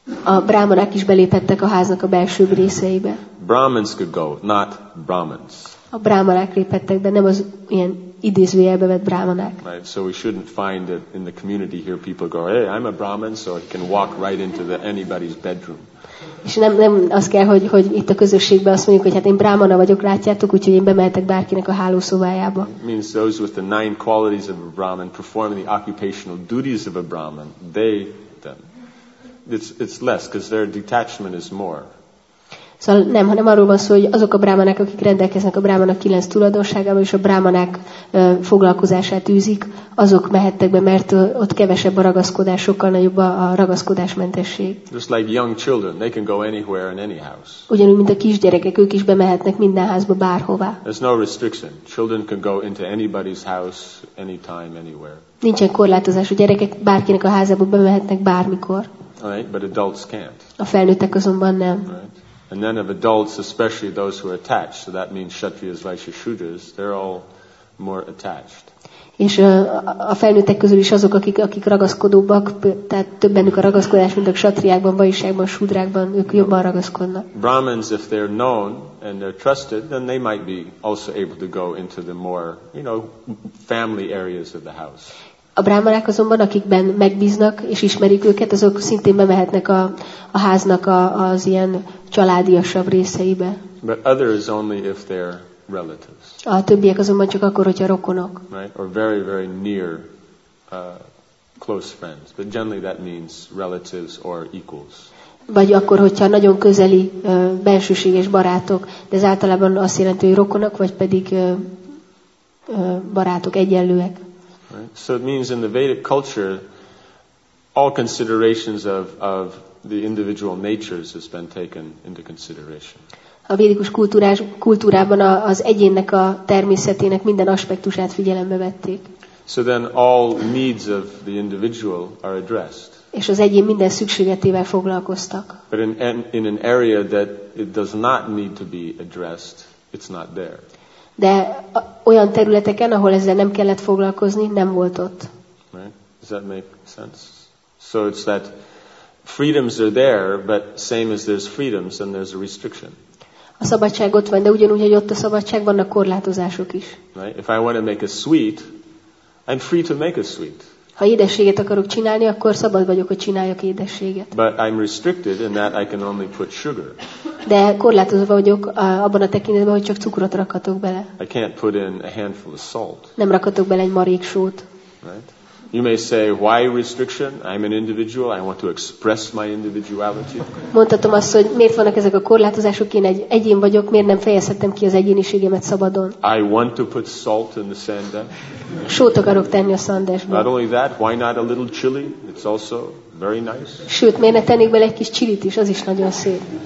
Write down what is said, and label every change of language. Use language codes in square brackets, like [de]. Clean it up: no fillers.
[hu] A brahmanák is beléphettek a háznak a belső részeibe. [en] Brahmins could go, not brahmins. [hu] A brahmanák léphettek be, nem az ilyen idézőjelbe vett brahmanák. [en] Right, so we shouldn't find that in the community here people go, hey, I'm a brahmin, so I can walk right into anybody's bedroom. [hu] És nem az kell, hogy itt a közösségben azt mondjuk, hogy hát én brahmana vagyok, látjátok, úgyhogy én bemehetek bárkinek a hálószobájába. [en] It means those with the nine qualities of a brahmin performing the occupational duties of a brahmin, they then. It's less because their detachment is more. [hu] Szóval nem, hanem arról van szó, hogy azok a brámanák, akik rendelkeznek a brámanak kilenc tulajdonságával, és a brámanák foglalkozását űzik, azok mehettek be, mert ott kevesebb a ragaszkodás, sokkal nagyobb a ragaszkodásmentesség. [en] Just like young children, they can go anywhere in any house. [hu] Ugyanúgy, mint a kisgyerekek, ők is bemehetnek minden házba, bárhová. [en] There's no restriction. Children can go into anybody's house, anytime, anywhere. [hu] Nincsen korlátozás, a gyerekek bárkinek a házába bemehetnek bármikor. [en] Right, but adults can't. [hu] A felnőttek azonban nem. [en] Right. And then of adults, especially those who are attached, so that means kshatriyas, vaishyas, shudras, they're all more attached. [hu] És a felnőttek közül is azok, akik ragaszkodóbbak, tehát többenük a ragaszkodás, mint a kshatriyákban, vaishyákban, shudrákban, ők jobban ragaszkodnak. [en] Brahmins, if they're known and they're trusted, then they might be also able to go into the more, you know, family areas of the house. [hu] A brahmanák azonban, akikben megbíznak és ismerik őket, azok szintén bemehetnek a háznak az ilyen családiasabb részeibe. [en] But others only if they're relatives. [hu] A többiek azonban csak akkor, hogyha rokonok. [en] Right? Or very, very near close friends. But generally that means relatives or equals. [hu] Vagy akkor, hogyha nagyon közeli, bensőséges barátok, de ez általában azt jelenti, hogy rokonok, vagy pedig barátok, egyenlőek. [en] Right? So it means in the Vedic culture, all considerations of the individual natures has been taken into consideration. [hu] A védikus kultúrában az egyénnek a természetének minden aspektusát figyelembe vették. [en] So then all needs of the individual are addressed. [hu] És az egyén minden szükségletével foglalkoztak. [en] But in an area that it does not need to be addressed, it's not there. [hu] De olyan területeken, ahol ezzel nem kellett foglalkozni, nem volt ott. [en] Right? Does that make sense? So it's that freedoms are there, but same as there's freedoms, then there's a restriction. [hu] A szabadság ott van, de ugyanúgy, hogy ott a szabadság, vannak korlátozások is. [en] Right? If I want to make a sweet, I'm free to make a sweet. [hu] Ha édességet akarok csinálni, akkor szabad vagyok, hogy csináljak édességet. [en] But I'm restricted in that I can only put sugar. [hu] De korlátozva vagyok abban a tekintetben, hogy csak cukrot rakhatok bele. [en] I can't put in a handful of salt. [hu] Nem rakhatok bele egy marék sót. [en] Right? You may say, why restriction? I'm an individual. I want to express my individuality. [hu] Mondhatom azt, hogy miért vannak ezek a korlátozások? Én egy egyén vagyok. Miért nem fejezhettem ki az egyéniségemet szabadon? [en] I want to put salt in the sandesh. [hu] Sót akarok tenni a szandesbe. [en] Not only that, why not a little chili? It's also very nice. [hu] Sőt, miért ne tennék bele egy kis chilit is? Az is nagyon szép.